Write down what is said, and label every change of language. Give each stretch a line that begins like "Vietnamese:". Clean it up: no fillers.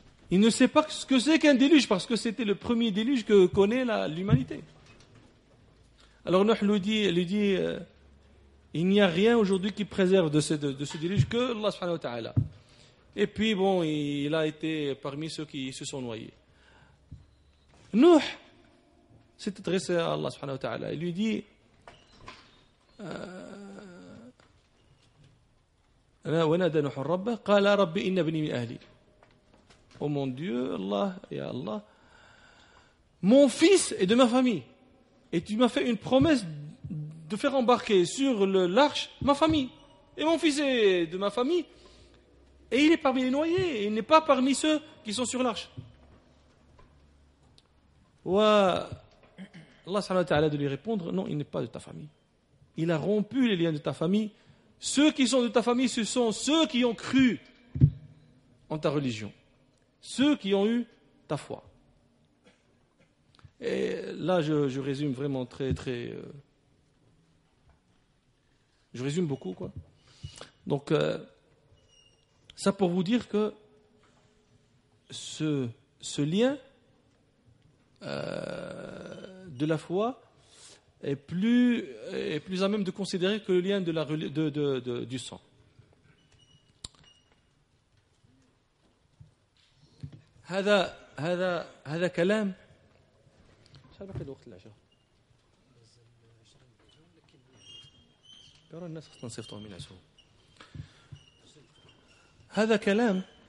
French: Il ne sait pas ce que c'est qu'un déluge, parce que c'était le premier déluge que connaît l'humanité. Alors Nuh lui dit il n'y a rien aujourd'hui qui préserve de ce déluge que Allah subhanahu wa ta'ala. Et puis bon, il a été parmi ceux qui se sont noyés. Nuh s'est adressé à Allah subhanahu wa ta'ala. Il lui dit
Arabic: وَنَادَ نُوحُ رَبَّهُ قَالَ رَبِّ إِنَّ بْنِي مِنْ أَهْلِي.
French: Oh mon Dieu, Allah, ya Allah, mon fils est de ma famille. Et tu m'as fait une promesse de faire embarquer sur l'arche ma famille. Et mon fils est de ma famille. Et il est parmi les noyés. Il n'est pas parmi ceux qui sont sur l'arche. Et Allah subhanahu wa ta'ala de lui répondre, non, il n'est pas de ta famille. il a rompu les liens de ta famille. Ceux qui sont de ta famille, ce sont ceux qui ont cru en ta religion. Ceux qui ont eu ta foi. Et là, je résume vraiment très, très... je résume beaucoup, quoi. Donc, ça pour vous dire que ce lien de la foi est plus à même de considérer que le lien de du sang.
Arabic: هذا كلام شحال باقي الوقت العشاء ترى الناس خصنا نصيفطوا من عشاء هذا كلام